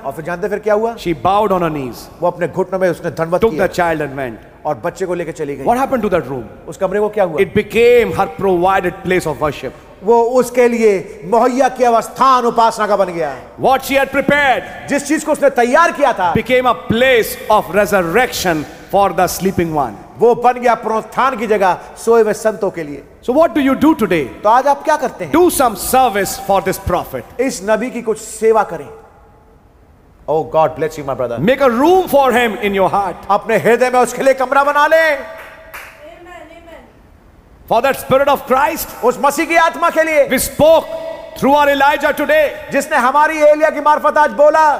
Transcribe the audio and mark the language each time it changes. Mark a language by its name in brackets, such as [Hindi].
[Hindi] और फिर जानते हैं फिर क्या हुआ? [English] She bowed on her knees. [Hindi] वो अपने घुटनों में उसने धन्वत किया. [English] Took the child and went. [Hindi] और बच्चे को लेकर चली गई. [English] What happened to that room? [Hindi] उस कमरे को क्या हुआ? [English] It became her provided place of worship. [Hindi] वो उसके लिए मुहैया किया हुआ स्थान उपासना का बन गया. [English] What she had prepared, [Hindi] जिस चीज को उसने तैयार किया था, [English] became a place of resurrection for the sleeping one. [Hindi] वो बन गया पुनरुत्थान की जगह सोए हुए संतों के लिए. [English] So what do you do today? [Hindi] तो आज आप क्या करते हैं? [English] Do some service for this prophet. [Hindi] इस नबी की कुछ सेवा करें. [English] Oh God bless you my brother. Make a room for him in your heart. [Hindi] अपने हृदय में उसके लिए कमरा बना लें. [English] For that spirit of Christ, [Hindi] उस मसीह की आत्मा के लिए, [English] we spoke through our Elijah today, [Hindi] जिसने हमारी एलिया की मार्फत आज बोला,